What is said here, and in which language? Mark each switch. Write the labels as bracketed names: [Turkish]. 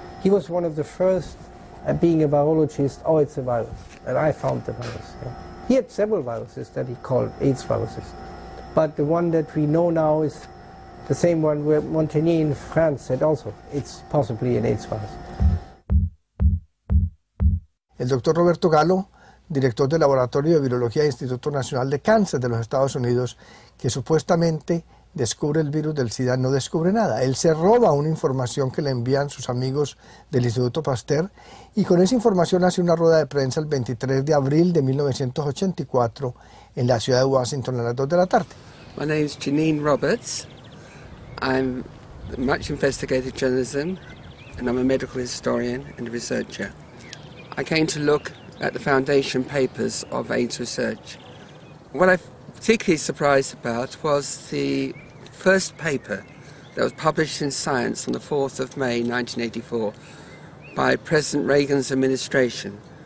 [English] He was one of the first, being a virologist, oh, it's a virus, and I found the virus. Yeah. He had several viruses that he called AIDS viruses, but the one that we know now is the same one where Montigny in France said also, it's possibly an AIDS virus. [Spanish] El doctor Roberto Gallo, director del Laboratorio de Virología del Instituto Nacional de Cáncer de los Estados Unidos, que supuestamente descubre el virus del SIDA, no descubre nada. Él se roba una información que le envían sus amigos del Instituto Pasteur y con esa información hace una rueda de prensa el 23 de abril de 1984 en la ciudad de Washington a las 2 de la tarde. [English] My name is Janine Roberts. I'm much investigated journalism and I'm a medical historian and a researcher. I came to look at the foundation papers of AIDS research. What I'm particularly surprised about was the first paper that was published in Science on the 4th of May 1984 by President Reagan's administration.